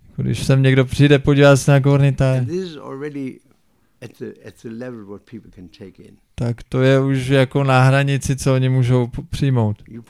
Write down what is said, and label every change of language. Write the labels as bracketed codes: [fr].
[cs] Když sem někdo přijde podívat se na Gaunitai. [en] And this is already at the level what people can take in. [cs] Tak to je už jako na hranici, co oni můžou přijmout.